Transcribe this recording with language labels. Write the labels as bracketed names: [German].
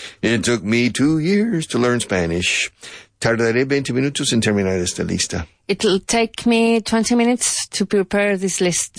[English] It took me 2 years to learn Spanish. [Spanish] Tardaré 20 minutos en terminar esta lista. [English] It'll take me 20 minutes to prepare this list.